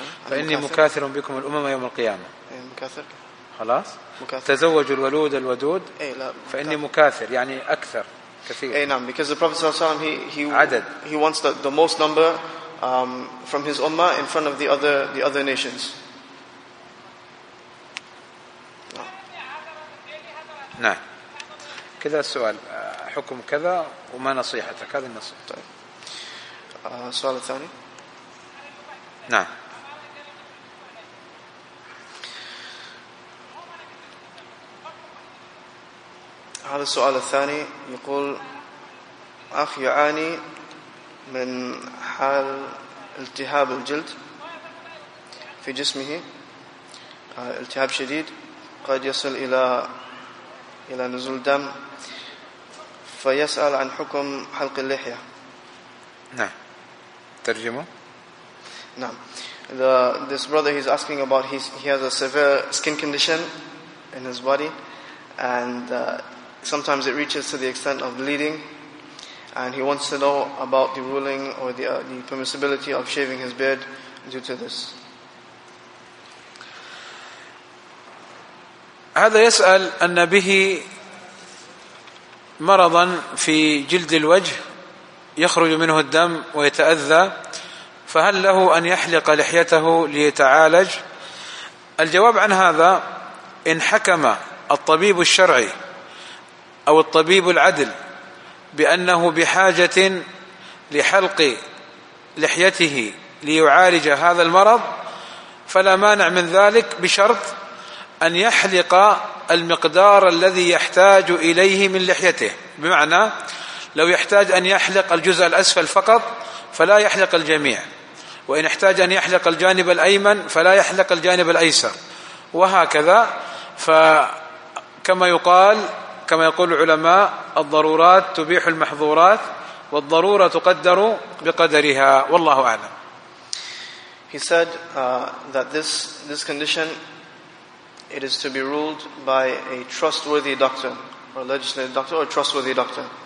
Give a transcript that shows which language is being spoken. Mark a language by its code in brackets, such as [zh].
[ar] فإني مكاثر بكم الأمم يوم القيامة. مكاثر. خلاص. تزوج الولود الودود. فإني مكاثر يعني أكثر كثير. أي نعم. [en] Because the Prophet [ar] صلى الله عليه وسلم [en] he [ar] عدد. [en] He wants the most number from his ummah in front of the other nations. [ar] نعم. كذا السؤال، حكم كذا وما نصيحتك؟ هذه النصيحة. طيب. السؤال الثاني. نعم. هذا السؤال الثاني يقول أخ يعاني من حال التهاب الجلد في جسمه، التهاب شديد قد يصل إلى نزول دم، فيسأل عن حكم حلق اللحية. نعم. ترجمه. نعم. [en] This brother he's asking about he has a severe skin condition in his body, and sometimes it reaches to the extent of bleeding, and he wants to know about the ruling or the permissibility of shaving his beard due to this. [ar] هذا يسأل أن به مرضا في جلد الوجه يخرج منه الدم ويتأذى، فهل له أن يحلق لحيته ليتعالج؟ الجواب عن هذا، إن حكم الطبيب الشرعي أو الطبيب العدل بأنه بحاجة لحلق لحيته ليعالج هذا المرض، فلا مانع من ذلك بشرط أن يحلق المقدار الذي يحتاج إليه من لحيته. بمعنى لو يحتاج أن يحلق الجزء الأسفل فقط فلا يحلق الجميع، وإن احتاج أن يحلق الجانب الأيمن فلا يحلق الجانب الأيسر، وهكذا. فكما يقال، كما يقول العلماء، الضرورات تبيح المحظورات، والضرورة تقدر بقدرها، والله أعلم. [en] He said that this condition, it is to be ruled by a trustworthy doctor or a legislative doctor or a trustworthy doctor.